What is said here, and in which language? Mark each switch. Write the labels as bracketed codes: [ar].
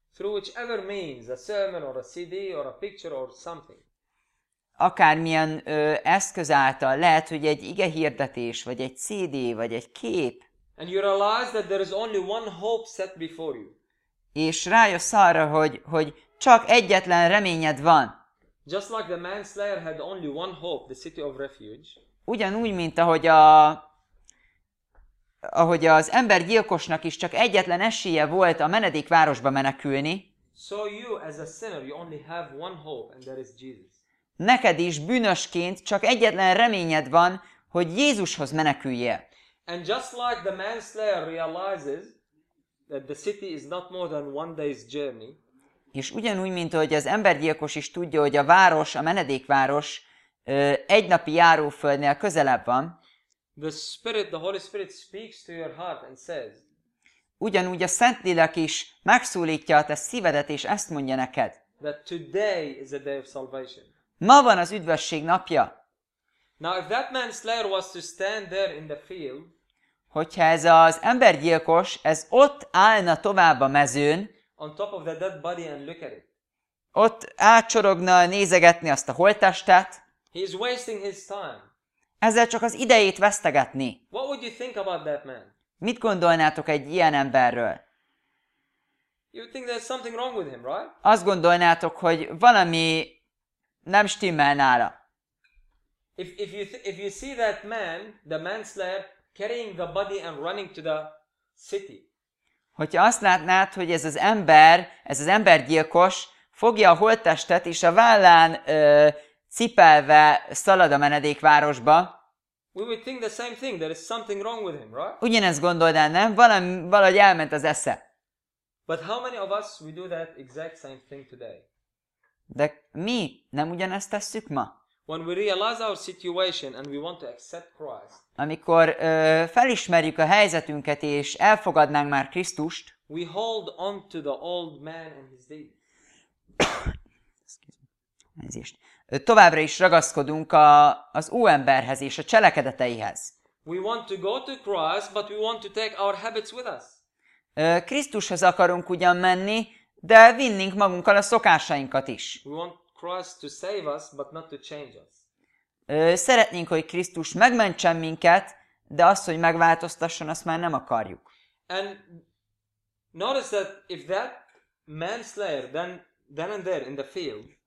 [en] Through whichever means, a sermon or a CD or a picture or something. [hu] Akármilyen eszköz által, lehet, hogy egy ige hirdetés, vagy egy CD, vagy egy kép. [en] And you realize that there is only one hope set before you. [hu] És rájössz arra, hogy csak egyetlen reményed van. [en] Just like the manslayer had only one hope, the city of refuge. [hu] Ugyanúgy, mint ahogy az embergyilkosnak is csak egyetlen esélye volt a menedékvárosba menekülni. [en] So you as a sinner, you only have one hope, and that is Jesus. [hu] Neked is bűnösként csak egyetlen reményed van, hogy Jézushoz meneküljél. [en] And just like the manslayer realizes that the city is not more than one day's journey. [hu] És ugyanúgy, mint ahogy az embergyilkos is tudja, hogy a város, a menedékváros egy napi járóföldnél közelebb van. [en] The Spirit, the Holy Spirit speaks to your heart and says. [hu] Ugyanúgy a Szentlélek is megszólítja a te szívedet, és ezt mondja neked. [en] That today is a day of salvation. [hu] Ma van az üdvösség napja. [en] Now if that manslayer was to stand there in the field, [hu] hogyha ez az embergyilkos, ez ott állna tovább a mezőn, [en] on top of the dead body and look at it. [hu] Ott átcsorogna nézegetni azt a holttestet. [en] He is wasting his time. [hu] Ezzel csak az idejét vesztegetni. [en] What would you think about that man? [hu] Mit gondolnátok egy ilyen emberről? [en] You think there's something wrong with him, right? [hu] Azt gondolnátok, hogy valami nem stimmel nála. [en] If you see that man, the manslayer, carrying the body and running to the city. [hu] Hogyha azt látnád, hogy ez az embergyilkos, fogja a holttestet és a vállán cipelve szalad a menedékvárosba. [en] We would think the same thing, there is something wrong with him, right? [hu] Ugyanezt gondolnád, nem? Valahogy elment az esze. [en] But how many of us we do that exact same thing today? [hu] De mi nem ugyanezt tesszük ma? [en] When we realize our situation and we want to accept Christ. [hu] Amikor felismerjük a helyzetünket és elfogadnánk már Krisztust. [en] We hold on to the old man and his deeds. [hu] Ezért. továbbra is ragaszkodunk az úemberhez és a cselekedeteihez. [en] We want to go to Christ, but we want to take our habits with us. [hu] Krisztushoz akarunk ugyan menni, de vinnénk magunkkal a szokásainkat is. [en] We want Christ to save us, but not to change us. [hu] Szeretnénk, hogy Krisztus megmentsen minket, de azt, hogy megváltoztasson, azt már nem akarjuk. [en] And notice that if that manslayer then and there in the field.